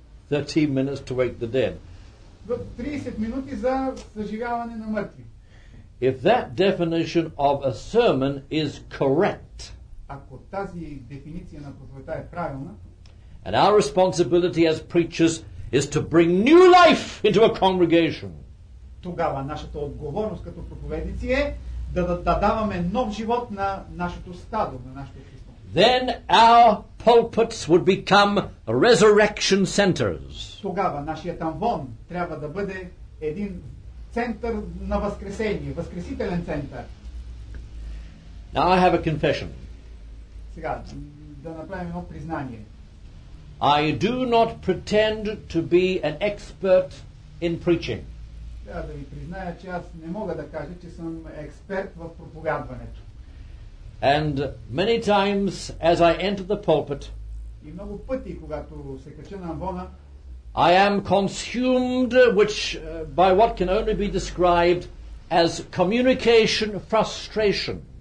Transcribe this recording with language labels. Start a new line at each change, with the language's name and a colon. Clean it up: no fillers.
English: 30 minutes to wake the dead.
Bulgarian: 30 минути за съживяване на мъртви.
English: If that definition of a sermon is correct,
Bulgarian: ако тази дефиниция на проповедта е правилна,
English: and our responsibility as preachers is to bring new life into a congregation,
Bulgarian: тогава нашата отговорност като проповедници е да даваме нов живот на нашето стадо, на нашето христо.
English: Then our pulpits would become resurrection centers.
Bulgarian: Тогава нашият амвон трябва да бъде един център на възкресение, възкресителен център.
English: Now I have a confession.
Bulgarian: Сега да направим едно признание.
English: I do not pretend to be an expert in preaching.
Bulgarian: Трябва да ви призная, че аз не мога да кажа, че съм експерт в проповядването.
English: And many times as I enter the pulpit,
Bulgarian: и много пъти, когато се кача на амвона,
English: I am consumed by what can only be described as communication frustration.